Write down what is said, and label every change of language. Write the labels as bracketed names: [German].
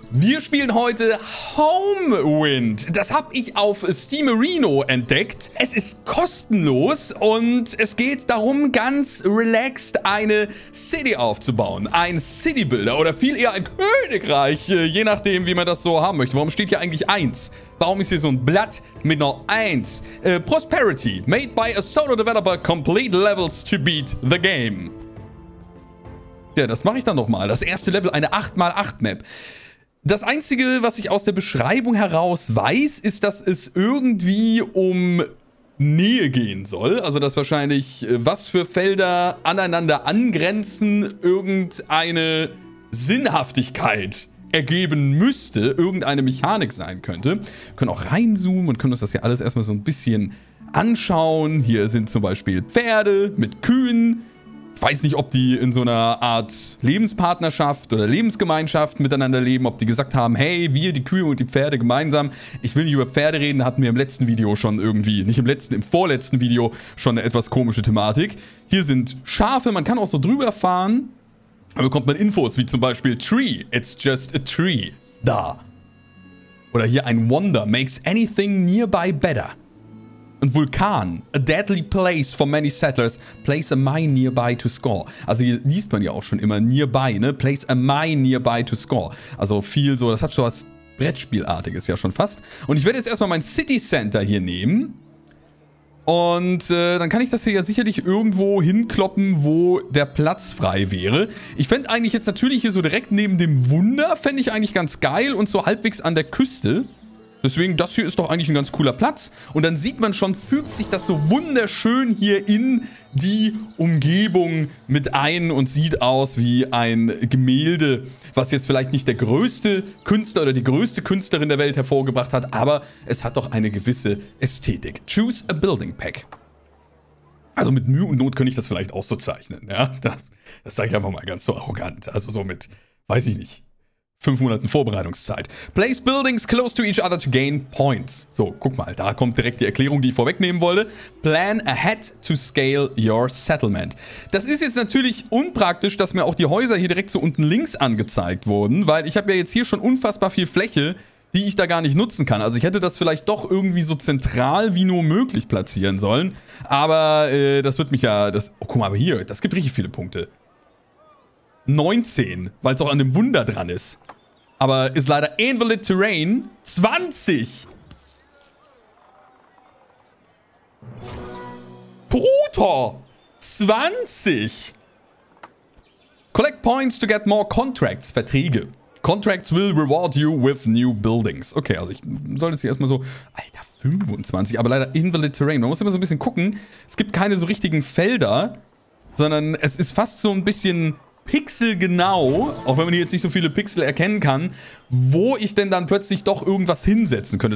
[German] Wir spielen heute Homewind. Das habe ich auf Steamerino entdeckt. Es ist kostenlos und es geht darum, ganz relaxed eine City aufzubauen. Ein City Builder oder viel eher ein Königreich, je nachdem, wie man das so haben möchte. Warum steht hier eigentlich 1? Warum ist hier so ein Blatt mit einer 1? [English] Prosperity, made by a solo developer, complete levels to beat the game. [German] Ja, das mache ich dann nochmal. Das erste Level, eine 8x8 Map. Das Einzige, was ich aus der Beschreibung heraus weiß, ist, dass es irgendwie um Nähe gehen soll. Also, dass wahrscheinlich, was für Felder aneinander angrenzen, irgendeine Sinnhaftigkeit ergeben müsste, irgendeine Mechanik sein könnte. Wir können auch reinzoomen und können uns das hier alles erstmal so ein bisschen anschauen. Hier sind zum Beispiel Pferde mit Kühen. Ich weiß nicht, ob die in so einer Art Lebenspartnerschaft oder Lebensgemeinschaft miteinander leben, ob die gesagt haben, hey, wir, die Kühe und die Pferde gemeinsam, ich will nicht über Pferde reden, hatten wir im letzten Video schon irgendwie, nicht im letzten, im vorletzten Video schon eine etwas komische Thematik. Hier sind Schafe, man kann auch so drüber fahren, da bekommt man Infos wie zum Beispiel Tree, [English] it's just a tree, [German] da. Oder hier ein Wonder, [English] makes anything nearby better. [German] Ein Vulkan, [English] a deadly place for many settlers, place a mine nearby to score. [German] Also hier liest man ja auch schon immer nearby, ne? [English] Place a mine nearby to score. [German] Also viel so, das hat so was Brettspielartiges ja schon fast. Und ich werde jetzt erstmal mein City Center hier nehmen. Und dann kann ich das hier ja sicherlich irgendwo hinkloppen, wo der Platz frei wäre. Ich fände eigentlich jetzt natürlich hier so direkt neben dem Wunder, fände ich eigentlich ganz geil und so halbwegs an der Küste. Deswegen, das hier ist doch eigentlich ein ganz cooler Platz. Und dann sieht man schon, fügt sich das so wunderschön hier in die Umgebung mit ein und sieht aus wie ein Gemälde, was jetzt vielleicht nicht der größte Künstler oder die größte Künstlerin der Welt hervorgebracht hat, aber es hat doch eine gewisse Ästhetik. [English] Choose a building pack. [German] Also mit Mühe und Not könnte ich das vielleicht auch so zeichnen, ja. Das sage ich einfach mal ganz so arrogant. Also so mit, weiß ich nicht. 5 Monaten Vorbereitungszeit. [English] Place buildings close to each other to gain points. [German] So, guck mal, da kommt direkt die Erklärung, die ich vorwegnehmen wollte. [English] Plan ahead to scale your settlement. [German] Das ist jetzt natürlich unpraktisch, dass mir auch die Häuser hier direkt so unten links angezeigt wurden, weil ich habe ja jetzt hier schon unfassbar viel Fläche, die ich da gar nicht nutzen kann. Also ich hätte das vielleicht doch irgendwie so zentral wie nur möglich platzieren sollen. Aber das wird mich ja... Oh, guck mal, aber hier, das gibt richtig viele Punkte. 19, weil es auch an dem Wunder dran ist. Aber ist leider Invalid Terrain. 20! Bruder! 20! [English] Collect points to get more contracts. Verträge. Contracts will reward you with new buildings. [German] Okay, also ich sollte jetzt hier erstmal so... Alter, 25, aber leider Invalid Terrain. Man muss immer so ein bisschen gucken. Es gibt keine so richtigen Felder, sondern es ist fast so ein bisschen... pixelgenau, auch wenn man hier jetzt nicht so viele Pixel erkennen kann, wo ich denn dann plötzlich doch irgendwas hinsetzen könnte.